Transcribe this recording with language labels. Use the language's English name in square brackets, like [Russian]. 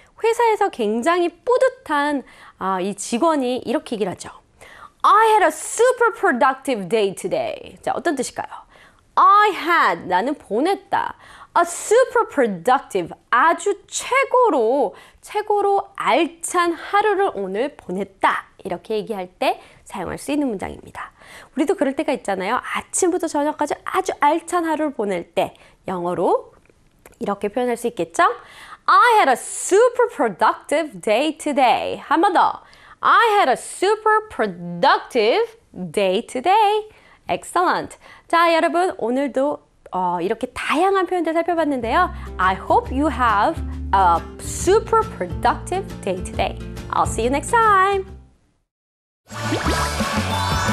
[Korean] 회사에서 굉장히 뿌듯한 이 직원이 이렇게 얘기를 하죠. [English] I had a super productive day today. [Korean] 자, 어떤 뜻일까요? [English] I had, [Korean] 나는 보냈다. [English] A super productive, [Korean] 아주 최고로 알찬 하루를 오늘 보냈다. 이렇게 얘기할 때 사용할 수 있는 문장입니다. 우리도 그럴 때가 있잖아요. 아침부터 저녁까지 아주 알찬 하루를 보낼 때 영어로 이렇게 표현할 수 있겠죠? [English] I had a super productive day today. [Korean] 한번 더. [English] I had a super productive day today. Excellent. [Korean] 자, 여러분, 오늘도 이렇게 다양한 표현들 살펴봤는데요. [English] I hope you have a super productive day today. I'll see you next time.